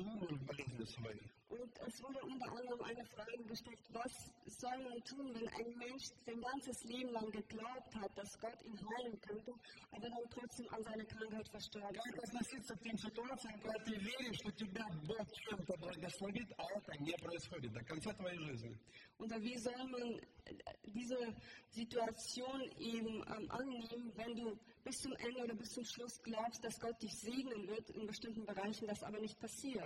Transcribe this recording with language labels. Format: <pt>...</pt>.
<de>Und es wurde unter anderem eine Frage gestellt, was soll man tun, wenn ein Mensch sein ganzes Leben lang geglaubt hat, dass Gott ihn heilen könnte, aber dann trotzdem an seine Krankheit verstorben</de> <ru>ist. Как относиться к тем ситуациям, когда ты веришь, что тебя Бог чем-то благословит, а это не происходит до конца твоей жизни?</ru> <de>Oder wie soll man diese Situation eben annehmen, wenn du bis zum Ende oder bis zum Schluss glaubst, dass Gott dich segnen wird in bestimmten Bereichen, das aber nicht passiert?</de>